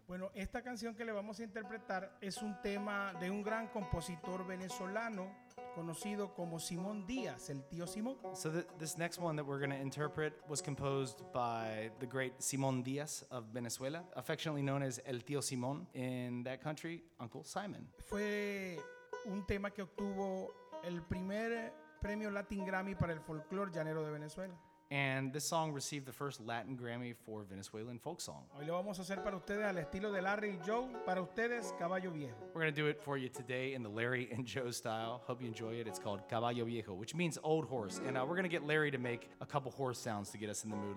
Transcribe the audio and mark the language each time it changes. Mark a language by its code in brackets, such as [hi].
[es] Bueno, esta canción que le vamos a interpretar es un tema de un gran compositor venezolano conocido como Simón Díaz, el tío Simón. [en] So this next one that we're going to interpret was composed by the great Simón Díaz of Venezuela, affectionately known as el tío Simón in that country, Uncle Simon. [es] Fue un tema que obtuvo el primer premio Latin Grammy para el folclore llanero de Venezuela. [en] And this song received the first Latin Grammy for Venezuelan folk song. [es] Hoy lo vamos a hacer para ustedes al estilo de Larry y Joe, para ustedes Caballo Viejo. [en] We're going to do it for you today in the Larry and Joe style. Hope you enjoy it. It's called Caballo Viejo, which means old horse. And we're going to get Larry to make a couple horse sounds to get us in the mood.